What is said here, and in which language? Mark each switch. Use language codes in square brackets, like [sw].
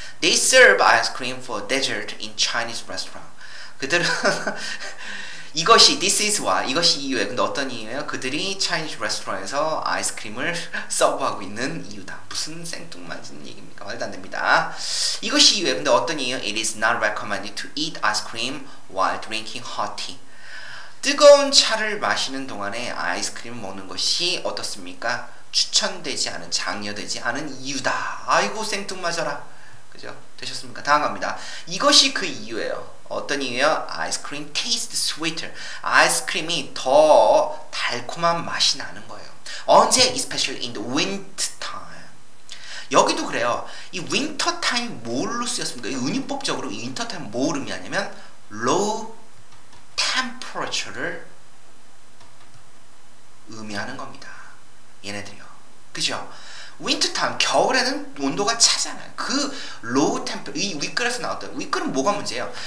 [en] They serve ice cream for dessert in Chinese restaurant. [ko] 그들은 이것이 [en] this is why [ko] 이것이 이유예요. 근데 어떤 이유예요? 그들이 Chinese restaurant에서 아이스크림을 서브하고 있는 이유다. 무슨 생뚱맞은 얘기입니까? 말도 안 됩니다. 이것이 이유예요. 근데 어떤 이유? [en] It is not recommended to eat ice cream while drinking hot tea. [ko] 뜨거운 차를 마시는 동안에 아이스크림을 먹는 것이 어떻습니까? 추천되지 않은, 장려되지 않은 이유다. 아이고 생뚱맞아라. 그죠? 되셨습니까? 다음 갑니다. 이것이 그 이유예요. 어떤 이유예요? [en] Ice cream tastes sweeter. [ko] 아이스크림이 더 달콤한 맛이 나는 거예요. 언제? [en] Especially in the winter time. [ko] 여기도 그래요. 이 winter time 뭘로 쓰였습니까? 이 은유법적으로 winter time 뭘 의미하냐면 low temperature를 의미하는 겁니다. 얘네들이요. 그죠? winter time, 겨울에는 온도가 차잖아요. 그 low temperature, 이 윗글에서 나왔던, 윗글은 뭐가 문제예요?